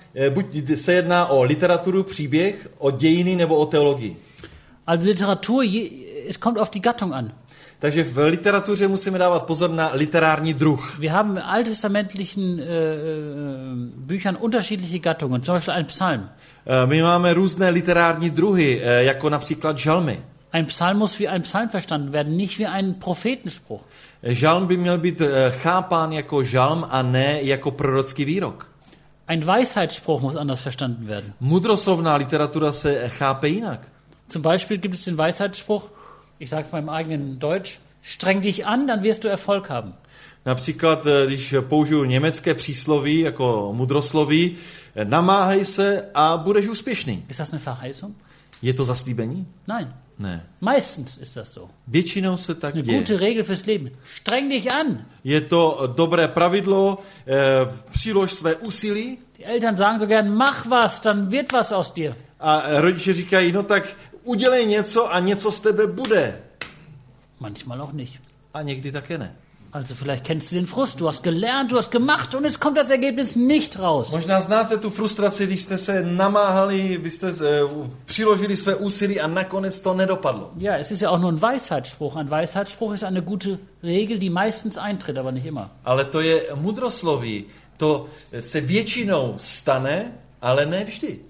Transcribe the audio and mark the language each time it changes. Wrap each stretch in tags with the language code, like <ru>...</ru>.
<cs>Buď se jedná o literaturu, příběh, o dějiny nebo o teologii.</cs> <de>Also Literatur, es kommt auf die Gattung an.</de> <cs>Takže v literatuře musíme dávat pozor na literární druh.</cs> <de>Wir haben in alttestamentlichen Büchern unterschiedliche Gattungen, zum Beispiel ein Psalm.</de> <cs>My máme různé literární druhy, jako například žalmy.</cs> <de>Ein Psalm muss wie ein Psalm verstanden werden, nicht wie ein Prophetenspruch.</de> <cs>Žalm by měl být chápán jako žalm a ne jako prorocký výrok.</cs> <de>Ein Weisheitsspruch muss anders verstanden werden.</de> <cs>Mudroslovná literatura se chápe jinak.</cs> <de>Zum Beispiel gibt es den Weisheitsspruch, ich sag's mal im eigenen Deutsch, streng dich an, dann wirst du Erfolg haben.</de> <cs>Například, když použiju německé přísloví jako mudrosloví, namáhej se a budeš úspěšný.</cs> <de>Ist das eine Verheißung?</de> <cs>Je to zaslíbení?</cs> <de>Nein.</de> <cs>Ne.</cs> <de>Meistens ist das so.</de> <cs>Většinou se tak děje.</cs> <de>Gute Regel fürs Leben. Streng dich an.</de> <cs>Je to dobré pravidlo, přilož své úsilí.</cs> <de>Die Eltern sagen so gern, mach was, dann wird was aus dir.</de> <cs>A rodiče říkají, no tak udělej něco a něco z tebe bude.</cs> <de>Manchmal auch nicht.</de> <cs>A někdy také ne.</cs> <de>Also vielleicht kennst du den Frust, du hast gelernt, du hast gemacht und es kommt das Ergebnis nicht raus.</de> <cs>Možná znáte tu frustraci, když jste se namáhali, vy jste přiložili své úsilí a nakonec to nedopadlo.</cs> <de>Ja, es ist ja auch nur ein Weisheitsspruch. Ein Weisheitsspruch ist eine gute Regel, die meistens eintritt, aber nicht immer.</de> <cs>Ale to je mudrosloví. To se většinou stane, ale ne vždy.</cs>